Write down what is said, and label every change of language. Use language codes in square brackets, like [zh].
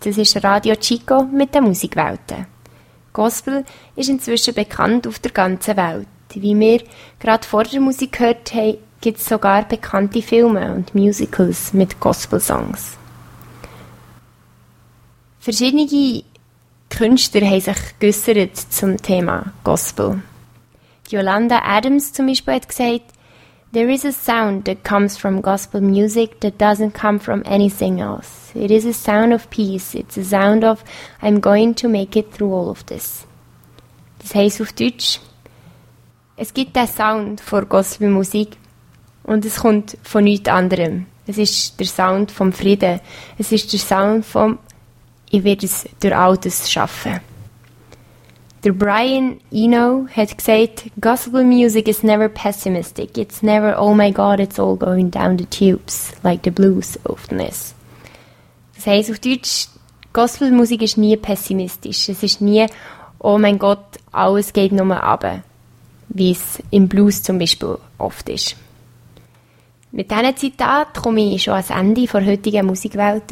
[de] Das ist Radio Chico mit den Musikwelten. Gospel ist inzwischen bekannt auf der ganzen Welt. Wie wir gerade vor der Musik gehört haben, gibt es sogar bekannte Filme und Musicals mit Gospel-Songs. Verschiedene Künstler haben sich geäussert zum Thema Gospel. [en] Yolanda Adams [de] zum Beispiel hat gesagt, [en] "There is a sound that comes from gospel music that doesn't come from anything else. It is a sound of peace. It's a sound of I'm going to make it through all of this." [de] Das heisst auf Deutsch, es gibt den Sound von Gospelmusik und es kommt von nichts anderem. Es ist der Sound vom Frieden. Es ist der Sound vom "Ich werde es durch all das schaffen." [en] Der Brian Eno [de] hat gesagt, [en] "Gospel music is never pessimistic. It's never, oh my God, it's all going down the tubes, like the blues often is." [de] Das heisst auf Deutsch, Gospelmusik ist nie pessimistisch. Es ist nie, oh mein Gott, alles geht nur runter, wie es im Blues zum Beispiel oft ist. Mit diesen Zitat komme ich schon ans Ende der heutigen Musikwelt.